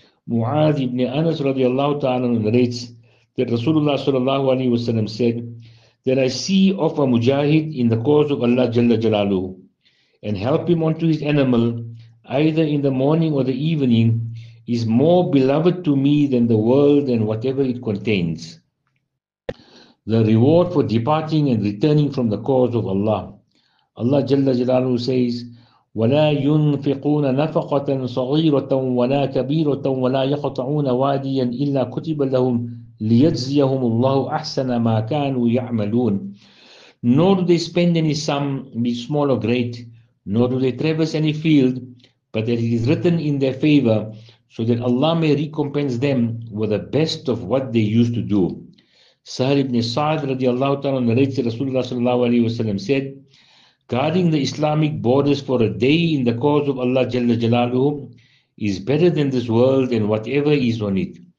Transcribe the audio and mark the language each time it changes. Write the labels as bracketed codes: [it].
[en] Mu'adh ibn Anas radiallahu ta'ala narrates that Rasulullah sallallahu alayhi wa sallam said, that I see of a mujahid in the cause of Allah Jalla Jalaluhu and help him onto his animal, either in the morning or the evening, is more beloved to me than the world and whatever it contains. The reward for departing and returning from the cause of Allah. [ar] Allah Jalla Jalaluhu says, وَلَا يُنْفِقُونَ نَفَقَةً صَغِيرَةً وَلَا كَبِيرَةً وَلَا يَقْطَعُونَ وَادِيًا إِلَّا كُتِبَ لَهُمْ لِيَجْزِيَهُمُ اللَّهُ أَحْسَنَ مَا كَانُوا يَعْمَلُونَ. [en] Nor do they spend any sum, be small or great, nor do they traverse any field, but that it is written in their favor, so that Allah may recompense them with the best of what they used to do. Sahal ibn Sa'd radiallahu ta'ala narrates Rasulullah sallallahu alayhi wa sallam said, guarding the Islamic borders for a day in the cause of Allah Jalla Jalaluhu is better than this world and whatever is on it.